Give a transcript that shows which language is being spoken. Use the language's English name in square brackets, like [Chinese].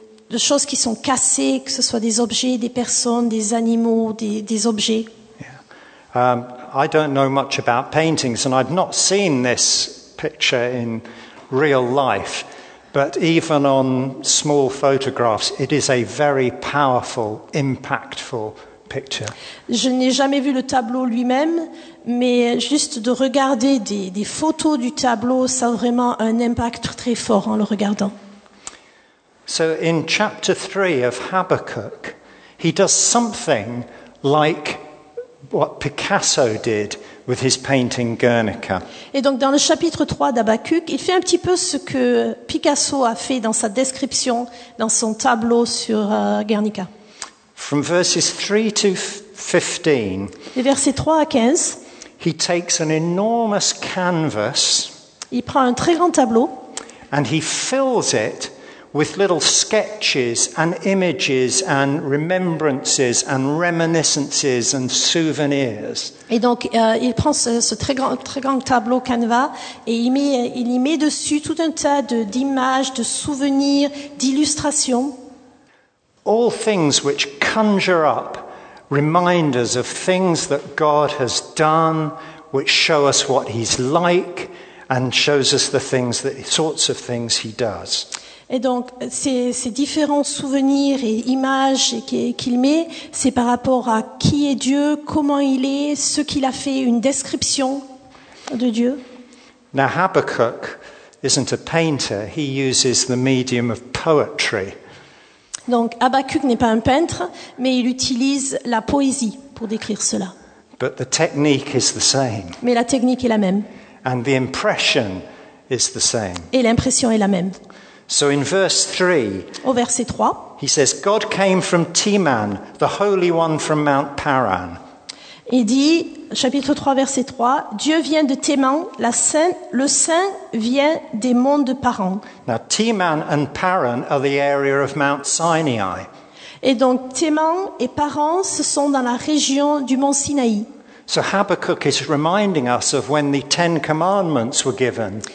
[French] de choses qui sont cassées, que ce soit des objets, des personnes, des animaux, des objets. [English] Yeah. I don't know much about paintings, and I've not seen this picture in real life. But even on small photographs, it is a very powerful, impactful picture. [French] Je n'ai jamais vu le tableau lui-même, mais juste de regarder des photos du tableau, ça a vraiment un impact très fort en le regardant. [English] So in chapter 3 of Habakkuk, he does something like what Picasso did with his painting Guernica. [French] Et donc dans le chapitre 3 d'Habakkuk, il fait un petit peu ce que Picasso a fait dans sa description dans son tableau sur Guernica. [English] From verses 3 to 15. [French] Les versets 3 à 15. [English] He takes an enormous canvas. [French] Il prend un très grand tableau. [English] And he fills it with little sketches and images and remembrances and reminiscences and souvenirs. [French] Et donc il prend ce très grand tableau canvas et il y met dessus tout un tas d'images, de souvenirs, d'illustrations. [English] All things which conjure up reminders of things that God has done, which show us what he's like and shows us the things that sorts of things he does. [French] Et donc, ces différents souvenirs et images qu'il met, c'est par rapport à qui est Dieu, comment il est, ce qu'il a fait, une description de Dieu. [English] Now, Habakkuk isn't a painter. He uses the medium of poetry. [French] Donc, Habakkuk n'est pas un peintre, mais il utilise la poésie pour décrire cela. [English] But the technique is the same. [French] Mais la technique est la même. [English] And the impression is the same. [French] Et l'impression est la même. [English] So in verse 3, [French] au verset 3, [English] he says, God came from Teman, the Holy One from Mount Paran. [French] Il dit, chapitre 3, verset 3, Dieu vient de Teman, le Saint vient des monts de Paran. [English] Now Teman and Paran are the area of Mount Sinai. [French] Et donc Teman et Paran, ce sont dans la région du mont Sinaï. [English] So Habakkuk is reminding us of when the Ten Commandments were given.